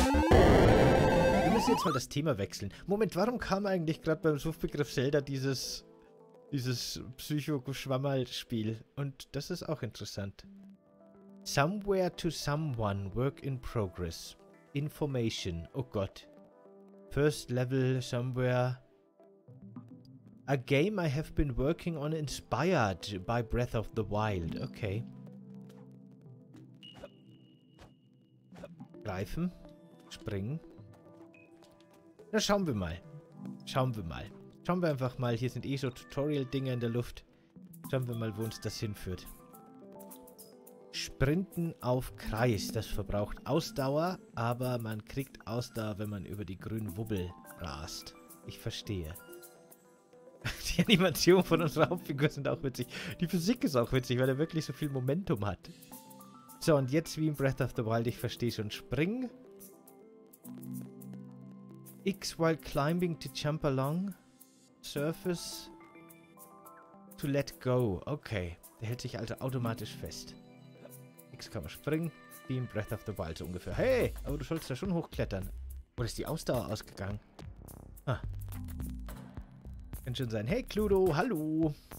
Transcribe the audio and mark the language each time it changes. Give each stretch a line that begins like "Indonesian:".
German: lass jetzt mal das Thema wechseln. Moment, warum kam eigentlich gerade beim Suchbegriff Zelda dieses Psycho-Schwammerl-Spiel? Und das ist auch interessant.
English: Somewhere to someone, work in progress. Information,
German: oh Gott.
English: First level, somewhere. A game I have been working on inspired by Breath of the Wild. Okay.
German: Greifen. Springen. Na, schauen wir mal. Schauen wir mal. Schauen wir einfach mal. Hier sind eh so Tutorial-Dinger in der Luft. Schauen wir mal, wo uns das hinführt. Sprinten auf Kreis. Das verbraucht Ausdauer, aber man kriegt Ausdauer, wenn man über die grünen Wubbel rast. Ich verstehe. Die Animation von unserer Hauptfigur sind auch witzig. Die Physik ist auch witzig, weil er wirklich so viel Momentum hat. So, und jetzt wie in Breath of the Wild, ich verstehe schon. Spring.
English: X while climbing to jump along. Surface. To let go. Okay.
German: Der hält sich also automatisch fest. X kann man springen. Wie in Breath of the Wild so ungefähr. Hey, aber du sollst da schon hochklettern. Oder ist die Ausdauer ausgegangen? Ah. Kann schon sein. Hey, Cluedo, hallo.